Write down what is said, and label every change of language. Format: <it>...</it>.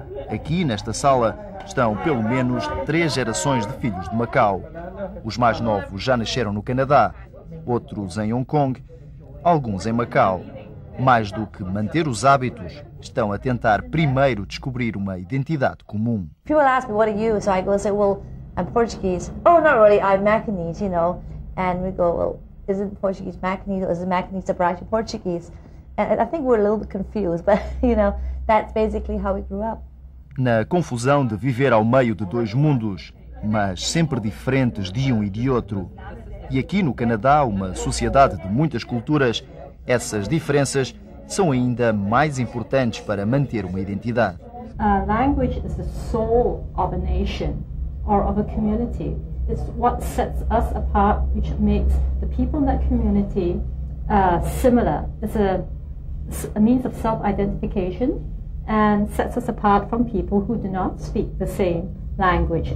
<pt>Aqui, nesta sala, estão pelo menos três gerações de filhos de Macau. Os mais novos já nasceram no Canadá, outros em Hong Kong, alguns em Macau. Mais do que manter os hábitos, estão a tentar primeiro descobrir uma identidade comum.</pt> <en>People ask me what are you, so I go and say, well, I'm Portuguese. Oh, not really, I'm Macanese, you know. And we go, well, isn't Portuguese Macanese, or is Macanese a branch of Portuguese? And I think we're a little bit confused, but you know, that's basically how we grew up.</en> <pt>Na confusão de viver ao meio de dois mundos, mas sempre diferentes de um e de outro. E aqui no Canadá, uma sociedade de muitas culturas, essas diferenças são ainda mais importantes para manter uma identidade.</pt> <en>A language is the soul of a nation or of a community. It's what sets us apart, which makes the people in that community similar. It's a means of self-identification and sets us apart from people who do not speak the same language.</en>